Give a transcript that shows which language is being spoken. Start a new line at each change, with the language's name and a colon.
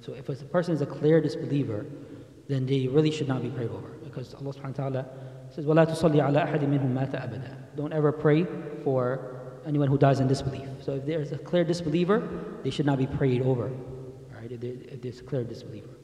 English: So if a person is a clear disbeliever, then they really should not be prayed over. Because Allah subhanahu wa ta'ala says,
Arabic: وَلَا تُصَلِّ عَلَىٰ أَحَدٍ مِّنْهُمْ مَاتَ أَبَدًا.
English: Don't ever pray for anyone who dies in disbelief. So if there's a clear disbeliever, they should not be prayed over, right? If there's a clear disbeliever.